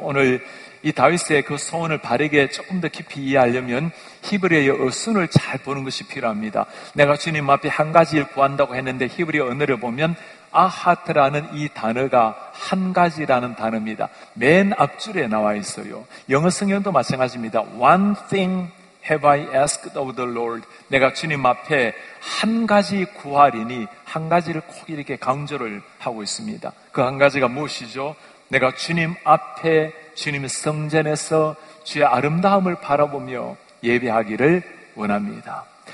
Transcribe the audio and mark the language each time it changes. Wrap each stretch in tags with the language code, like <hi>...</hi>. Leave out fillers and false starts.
<ko>오늘 이 다윗의 그 소원을 바르게 조금 더 깊이 이해하려면 히브리어의 어순을 잘 보는 것이 필요합니다. 내가 주님 앞에 한 가지 일 구한다고 했는데 히브리어 언어를 보면 아하트라는 이 단어가 한 가지라는 단어입니다. 맨 앞줄에 나와 있어요. 영어 성경도 마찬가지입니다.</ko> <en>One thing have I asked of the Lord.</en> <ko>내가 주님 앞에 한 가지 구하리니 한 가지를 꼭 이렇게 강조를 하고 있습니다. 그 한 가지가 무엇이죠? 내가 주님 앞에 주님 성전에서 주의 아름다움을 바라보며 예배하기를 원합니다.</ko>